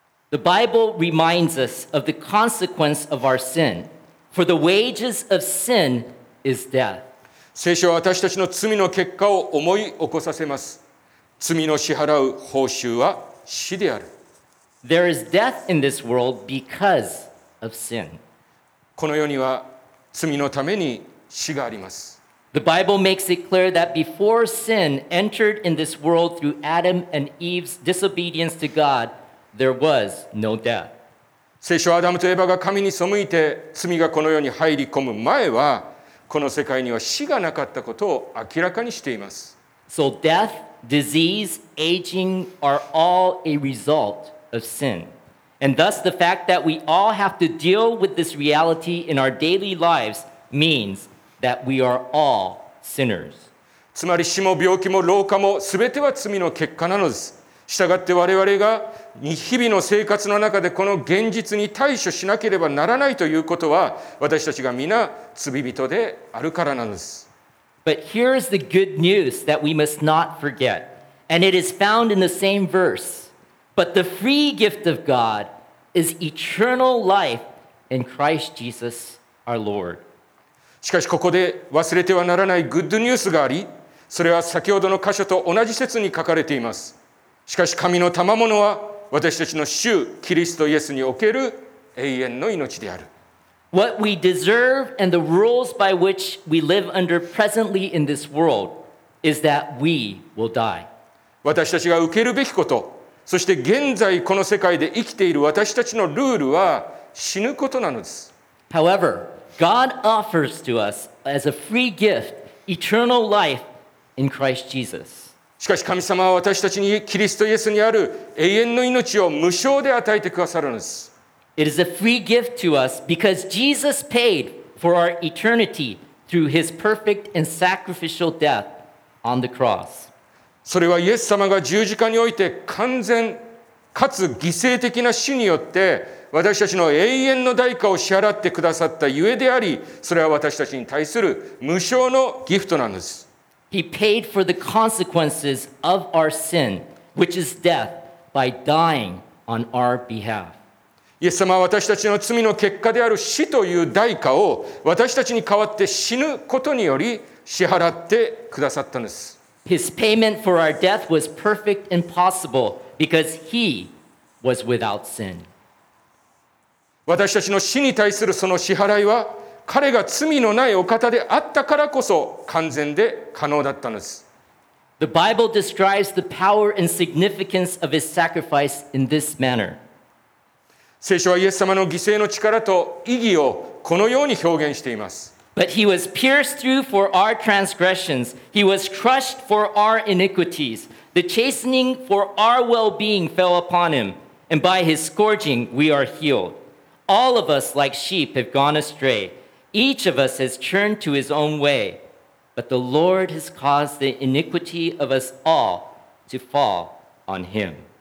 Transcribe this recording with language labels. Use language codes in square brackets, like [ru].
[en] The Bible reminds us of the consequence of our sin. For the wages of sin is death. [ja] 聖書は私たちの罪の結果を思い起こさせます。罪の支払う報酬は死である。 [en] There is death in this world because of sin. [ja] この世には罪のために死があります。 [en] The Bible makes it clear that before sin entered in this world through Adam and Eve's disobedience to God,There was no death. [ja] 聖書はアダムとエバが神に背いて罪がこの世に入り込む前はこの世界には死がなかったことを明らかにしています。 [en] So death, disease, aging are all a result of sin. And thus the fact that we all have to deal with this reality in our daily lives means that we are all sinners. [ja] つまり死も病気も老化も全ては罪の結果なのです。したがって我々が日々の生活の中でこの現実に対処しなければならないということは私たちが皆罪人であるからなんです。 [en] But here's the good news that we must not forget, and it is found in the same verse. But the free gift of God is eternal life in Christ Jesus our Lord. [ja] しかしここで忘れてはならないグッドニュースがあり、それは先ほどの箇所と同じ節に書かれています。しかし神の賜物は私たちの主キリストイエスにおける永遠の命である。 [en] What we deserve and the rules by which we live under presently in this world is that we will die. [ja] 私たちが受けるべきこと、そして現在この世界で生きている私たちのルールは死ぬことなのです。 [en] However, God offers to us as a free gift eternal life in Christ Jesus. [ja] しかし神様は私たちにキリストイエスにある永遠の命を無償で与えてくださるのです。 [en] It is a free gift to us because Jesus paid for our eternity through his perfect and sacrificial death on the cross. [ja] それはイエス様が十字架において完全かつ犠牲的な死によって私たちの永遠の代価を支払ってくださったゆえであり、それは私たちに対する無償のギフトなんです。 [en] He paid for the consequences of our sin, which is death, by dying on our behalf. [ja] イエス様は私たちの罪の結果である死という代価を私たちに代わって死ぬことにより支払ってくださったんです。 [en] His payment for our death was perfect and possible because he was without sin. [ja] 私たちの死に対するその支払いは彼が罪のないお方であったからこそ完全で可能だったのです。 [en] The Bible describes the power and significance of his sacrifice in this manner. [ja] 聖書はイエス様の犠牲の力と意義をこのように表現しています。 [en] But he was pierced through for our transgressions. He was crushed for our iniquities. The chastening for our well-being fell upon him. And by his scourging we are healed. All of us like sheep have gone astray. Each of us has turned to his own way, but the Lord has caused the iniquity of us all to fall on him.